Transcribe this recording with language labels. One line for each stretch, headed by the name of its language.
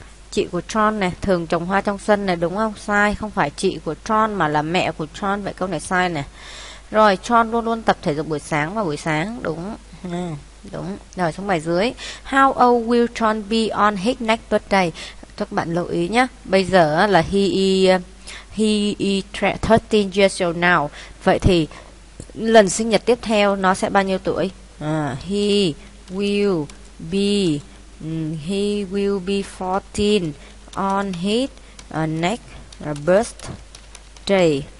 Vietnamese: Chị của Tron này thường trồng hoa trong sân này đúng không? Sai, không phải chị của Tron mà là mẹ của Tron. Vậy câu này sai này. Rồi, Tron luôn luôn tập thể dục buổi sáng và buổi sáng. Đúng. Đúng. Rồi, xuống bài dưới.
English: How old will Tron be on his next birthday?
Vietnamese: Các bạn lưu ý nhé, bây giờ là
English: he is 13 years old now.
Vietnamese: Vậy thì lần sinh nhật tiếp theo nó sẽ bao nhiêu tuổi?
English: He will be 14 on his next birthday.